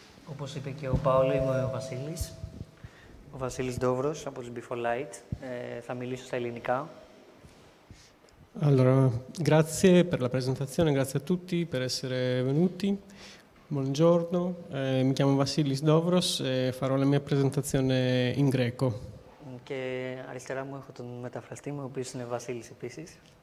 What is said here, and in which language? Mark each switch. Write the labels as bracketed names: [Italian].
[Greek] Όπως είπε και ο Πάολο, είμαι ο Βασίλης. Ο Βασίλης Ντόβρος από τους Before Light. Θα μιλήσω στα ελληνικά. [Italian] Allora, grazie per la presentazione, grazie a tutti per essere venuti. Buongiorno, mi chiamo Vassilis Dovros e farò la mia presentazione in greco. [Greek] Και αριστερά μου έχω τον μεταφραστή μου, ο οποίος είναι Βασίλης επίσης.